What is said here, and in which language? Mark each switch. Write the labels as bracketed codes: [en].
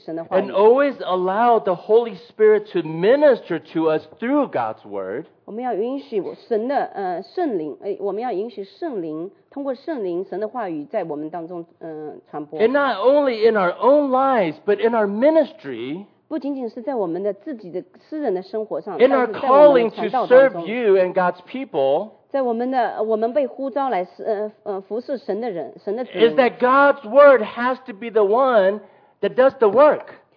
[en] And always allow the Holy Spirit to minister to us through God's Word. [zh] 我们要允许神的圣灵，通过圣灵神的话语在我们当中传播。 [en] And not only in our own lives, but in our ministry. [zh] 不仅仅是在我们的自己的私人的生活上。 [en] In our calling to serve you and God's people. [zh] 在我们被呼召来服侍神的人，神的子民。 [en] Is that God's word has to be the one that does the work?